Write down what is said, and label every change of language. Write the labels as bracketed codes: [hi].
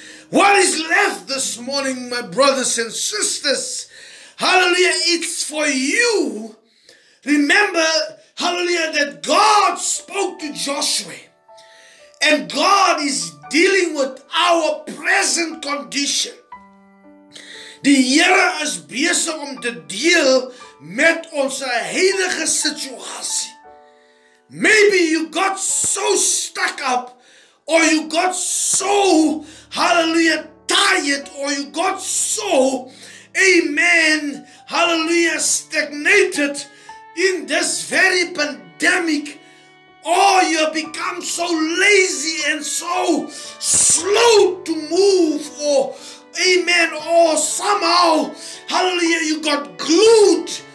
[en] What is left this morning, my brothers and sisters? Hallelujah, it's for you. Remember, hallelujah, that God spoke to Joshua. And God is dealing with our present condition. [af] Die Here is besig om te deal met ons huidige situasie. [en] Maybe you got so stuck up, or you got so, hallelujah, tired, or you got so, amen, hallelujah, stagnated in this very pandemic, or you become so lazy and so slow to move, or amen, or somehow, hallelujah, you got glued,